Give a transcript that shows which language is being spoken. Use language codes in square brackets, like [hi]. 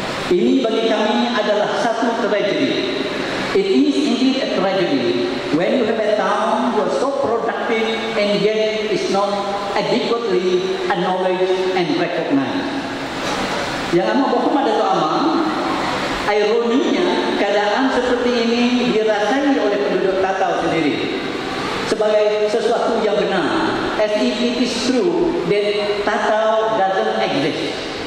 [ms] Ini bagi kami adalah satu tragedi. [en] It is indeed a tragedy when you have a town who are so productive and yet is not adequately acknowledged and recognized. [ms] Yang amat bohong ada tu amat. Ironinya, keadaan seperti ini dirasai oleh penduduk Tatau sendiri sebagai sesuatu yang benar. [en] As if it is true that Tatau doesn't exist.